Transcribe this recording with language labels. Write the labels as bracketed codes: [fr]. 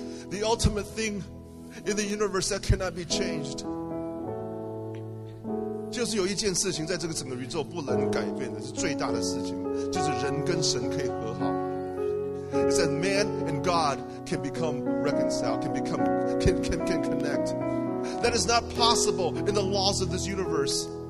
[en] the ultimate thing in the universe that cannot be changed. [zh] 就是有一件事情在这个整个宇宙不能改变的，是最大的事情，就是人跟神可以和好。 [en] It says man and God can become reconciled, can connect. That is not possible in the laws of this universe.